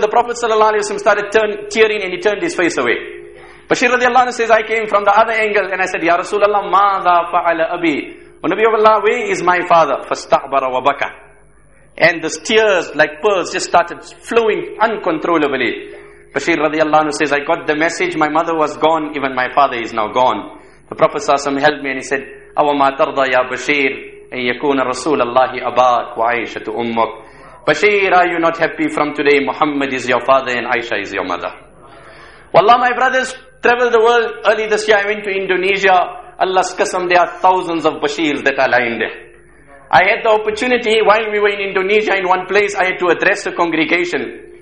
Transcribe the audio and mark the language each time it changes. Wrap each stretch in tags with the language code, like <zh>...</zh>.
<en>The Prophet sallallahu alaihi wasallam started tearing and he turned his face away. Bashir radiallahu anhu says, I came from the other angle and I said, Ya Rasulallah,</en> <ar>ماذا فعل أبي?</ar> <en>O Nabi of Allah, where is my father?</en> <ar>فَاسْتَعْبَرَ وَبَكَى.</ar> <en>And the tears like pearls just started flowing uncontrollably. Bashir radiallahu anhu says, I got the message. My mother was gone. Even my father is now gone. The Prophet sallallahu alaihi wasallam held me and he said,</en> <ar>أَوَمَا تَرْضَى يَا بَشِيرِ أَن يَكُونَ رَسُولَ اللَّهِ أَبَاكُ وَعَيْشَةُ أُمَّكُ.</ar> <en>Bashir, are you not happy from today? Muhammad is your father and Aisha is your mother. Wallah, my brothers traveled the world. Early this year I went to Indonesia. Allah's qasam, there are thousands of Bashirs that are lying there. I had the opportunity while we were in Indonesia in one place, I had to address the congregation.</en>